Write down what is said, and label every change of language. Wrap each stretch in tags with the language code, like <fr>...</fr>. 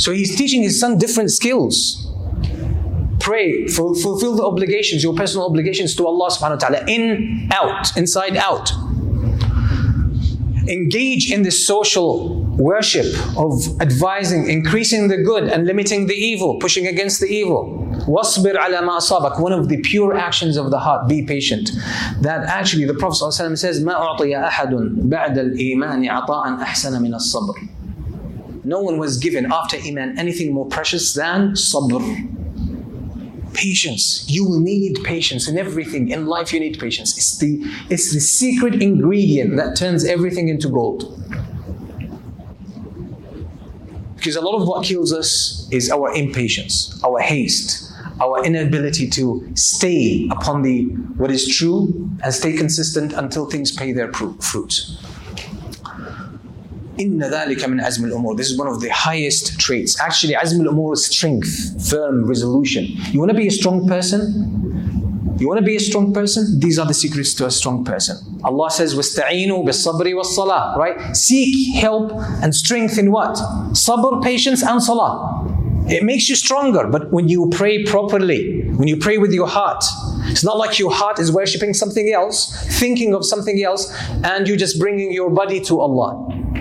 <en>So he's teaching his son different skills. Pray, fulfill the obligations, your personal obligations to Allah subhanahu wa ta'ala. In, out, inside, out. Engage in this social worship of advising, increasing the good and limiting the evil, pushing against the evil.</en> <ar>وَاصْبِرْ عَلَى مَا أَصَابَكَ.</ar> <en>One of the pure actions of the heart, be patient. That actually the Prophet ﷺ says,</en> <ar>مَا أُعْطِيَ أَحَدٌ بَعْدَ الْإِيمَانِ عَطَاءً أَحْسَنَ مِنَ الصَّبْرِ.</ar> <en>No one was given after Iman anything more precious than sabr. Patience. You will need patience in everything. In life you need patience. It's the secret ingredient that turns everything into gold. Because a lot of what kills us is our impatience, our haste, our inability to stay upon the what is true and stay consistent until things pay their fruit.</en> <ar>إِنَّ ذَٰلِكَ مِنْ عَزْمِ الْأُمُورِ.</ar> <en>This is one of the highest traits. Actually, عزم الأمور is strength, firm, resolution. You want to be a strong person? You want to be a strong person? These are the secrets to a strong person. Allah says,</en> <ar>وَاسْتَعِينُوا بِالصَّبْرِ وَالصَّلَاةِ.</ar> <en>Right? Seek help and strength in what? Sabr, patience and salah. It makes you stronger, but when you pray properly, when you pray with your heart, it's not like your heart is worshipping something else, thinking of something else, and you're just bringing your body to Allah.</en>